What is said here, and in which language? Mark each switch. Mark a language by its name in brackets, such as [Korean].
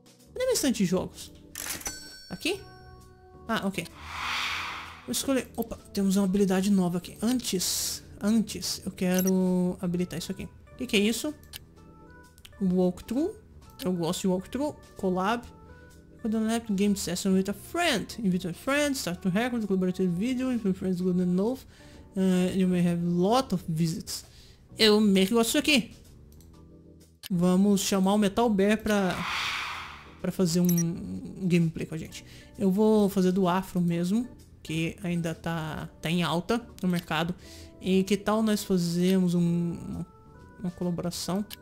[Portuguese] Onde é minha estante de jogos? Aqui? Ah, ok. Vou escolher... opa, temos uma habilidade nova aqui. Antes, eu quero habilitar isso aqui. O que é isso? Walkthrough. Eu gosto de walkthrough. [English] Collab. [Portuguese] Quando eu lembro, [English] game session with a friend. Invite a friend, start to record, collaborative video, if your friends good and love. You may have lot of visits. [Portuguese] Eu meio que gosto disso aqui. Vamos chamar o Metal Bear pra fazer um gameplay com a gente. Eu vou fazer do Afro mesmo, que ainda tá em alta no mercado. E que tal nós fazermos uma colaboração?